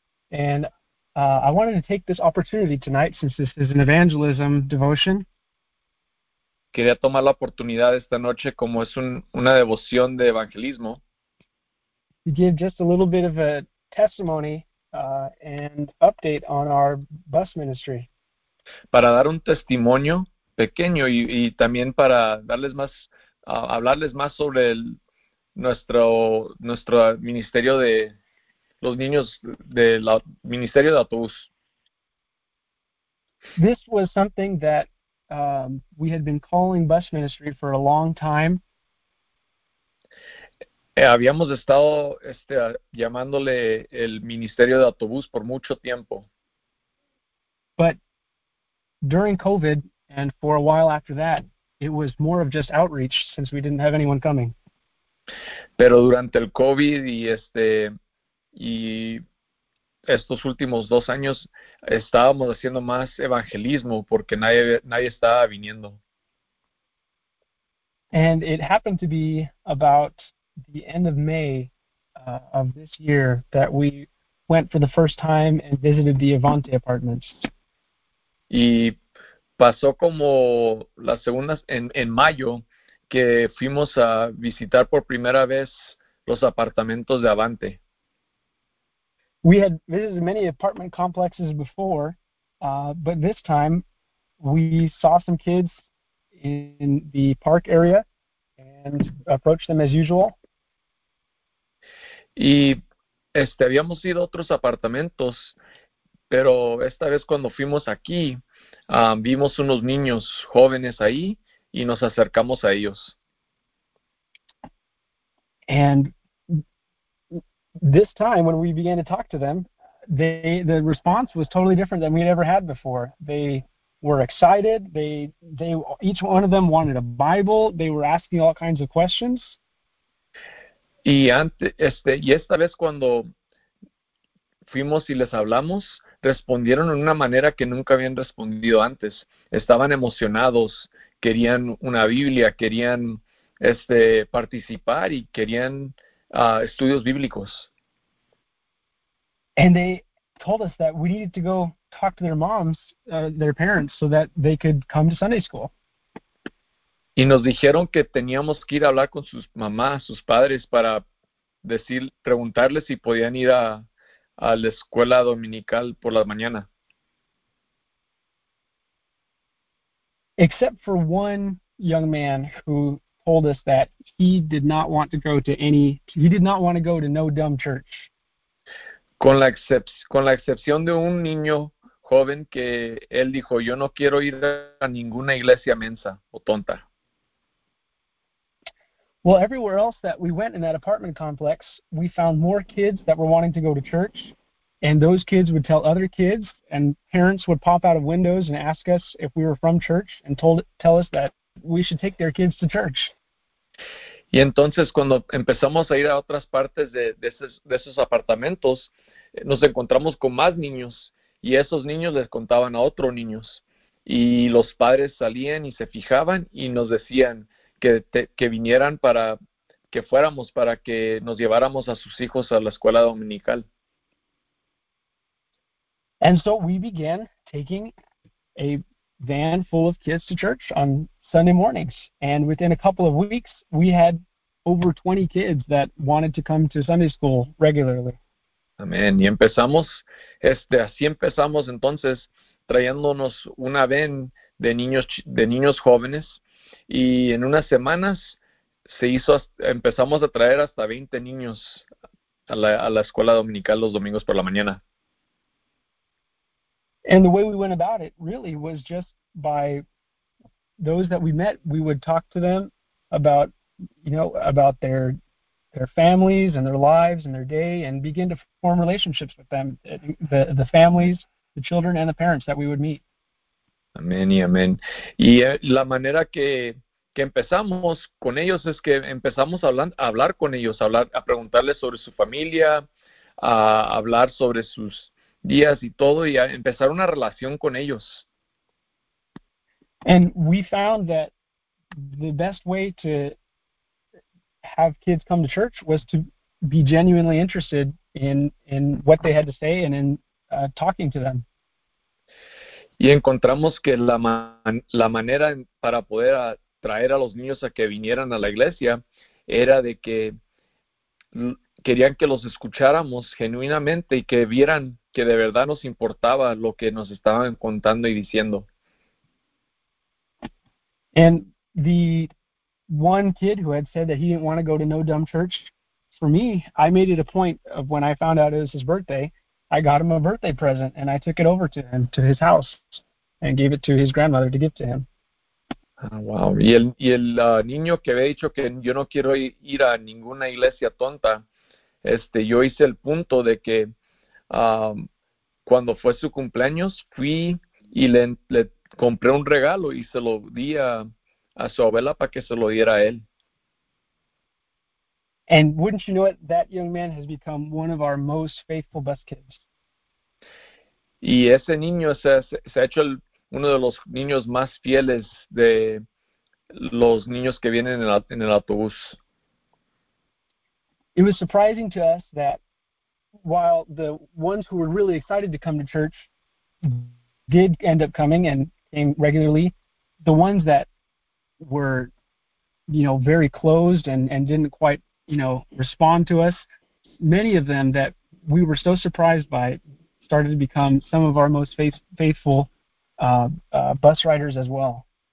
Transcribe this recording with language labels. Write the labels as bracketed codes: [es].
[en] And I wanted to take this opportunity tonight since this is an evangelism devotion. [es] Quería tomar la oportunidad esta noche como es una devoción de evangelismo. [en] To give just a little bit of a testimony and update on our bus ministry. [es] Para dar un testimonio pequeño y también para darles más, hablarles más sobre nuestro ministerio de los niños del ministerio de autobús. [en] This was something that we had been calling bus ministry for a long time. [es] Habíamos estado llamándole el Ministerio de Autobús por mucho tiempo. [en] But during COVID and for a while after that, it was more of just outreach since we didn't have anyone coming. [es] Pero durante el COVID y estos últimos 2 años estábamos haciendo más evangelismo porque nadie estaba viniendo. [en] And it happened to be about the end of May of this year that we went for the first time and visited the Avante Apartments. [es] Y pasó como las segundas en mayo que fuimos a visitar por primera vez los apartamentos de Avante. [en] We had visited many apartment complexes before, but this time we saw some kids in the park area and approached them as usual. [es] Y habíamos ido a otros apartamentos, pero esta vez cuando fuimos aquí, vimos unos niños jóvenes ahí y nos acercamos a ellos. [en] And this time, when we began to talk to them, the response was totally different than we had ever had before. They were excited. They each one of them wanted a Bible. They were asking all kinds of questions. [es] Y antes, y esta vez cuando fuimos y les hablamos, respondieron en una manera que nunca habían respondido antes. Estaban emocionados, querían una Biblia, querían participar y querían estudios bíblicos. [en] And they told us that we needed to go talk to their moms, their parents, so that they could come to Sunday school. [es] Y nos dijeron que teníamos que ir a hablar con sus mamás, sus padres, para preguntarles si podían ir a la escuela dominical por la mañana. [en] Except for one young man who told us that he did not want to go to any, he did not want to go to no dumb church. [es] Con la excepción de un niño joven que él dijo, yo no quiero ir a ninguna iglesia mensa o tonta. [en] Well, everywhere else that we went in that apartment complex, we found more kids that were wanting to go to church, and those kids would tell other kids, and parents would pop out of windows and ask us if we were from church and tell us that we should take their kids to church. [es] Y entonces cuando empezamos a ir a otras partes de esos apartamentos, nos encontramos con más niños y esos niños les contaban a otros niños. Y los padres salían y se fijaban y nos decían que vinieran para que fuéramos, para que nos lleváramos a sus hijos a la escuela dominical. [en] And so we began taking a van full of kids to church on Sunday mornings. And within a couple of weeks, we had over 20 kids that wanted to come to Sunday school regularly. [es] Amén. Y así empezamos entonces trayéndonos una ven de niños jóvenes y en unas semanas empezamos a traer hasta 20 niños a la escuela dominical los domingos por la mañana. [en] And the way we went about it really was just by those that we met, we would talk to them about, about their their families and their lives and their day and begin to form relationships with them, the families, the children and the parents that we would meet. [es] Amén y amén. Y la manera que empezamos con ellos es que empezamos a hablar con ellos, a preguntarles sobre su familia, a hablar sobre sus días y todo, y a empezar una relación con ellos. [en] And we found that the best way to have kids come to church was to be genuinely interested in what they had to say and in talking to them. [es] Y encontramos que la manera para poder traer a los niños a que vinieran a la iglesia era de que querían que los escucháramos genuinamente y que vieran que de verdad nos importaba lo que nos estaban contando y diciendo. [en] And the one kid who had said that he didn't want to go to No Dumb Church, for me, I made it a point of when I found out it was his birthday, I got him a birthday present and I took it over to him, to his house, and gave it to his grandmother to give to him. Oh, wow. [es] Y el niño que había dicho que yo no quiero ir a ninguna iglesia tonta, yo hice el punto de que cuando fue su cumpleaños, fui y le compré un regalo y se lo di a su abuela para que se lo diera a él. [en] And wouldn't you know it, that young man has become one of our most faithful bus kids. [es] Y ese niño se ha hecho uno de los niños más fieles de los niños que vienen en el autobús. [en] It was surprising to us that while the ones who were really excited to come to church did end up coming and came regularly, the ones that were, you know, very closed and didn't quite, you know, respond to us, many of them that we were so surprised by started to become some of our most faithful bus riders as well.